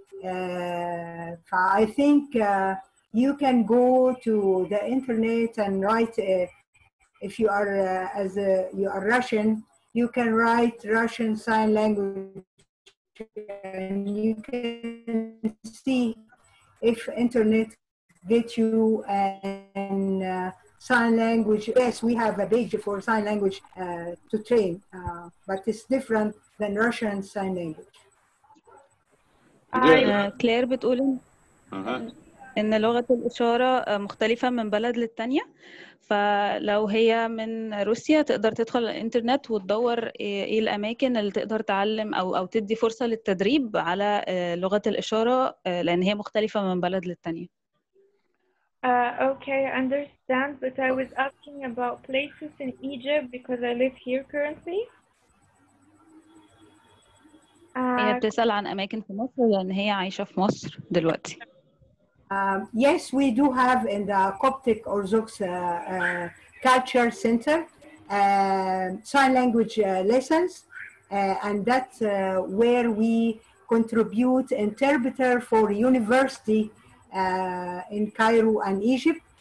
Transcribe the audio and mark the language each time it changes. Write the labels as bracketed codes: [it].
[en] I think you can go to the internet and write a If you are as a you are Russian, you can write Russian sign language, and you can see if internet gets you and sign language. Yes, we have a page for sign language to train, but it's different than Russian Sign Language. [ar] Claire بتقول إن لغة الإشارة مختلفة من بلد للتانية فلو هي من روسيا تقدر تدخل الإنترنت وتدور إيه الأماكن اللي تقدر تعلم أو تدي فرصة للتدريب على لغة الإشارة لأن هي مختلفة من بلد للتانية. [en] Okay, I understand, but I was asking about places in Egypt because I live here currently. [ar] هي بتسأل عن أماكن في مصر لأن هي عايشة في مصر دلوقتي. [en] Yes, we do have in the Coptic Orthodox Culture Center sign language lessons, and that's where we contribute interpreter for university in Cairo and Egypt.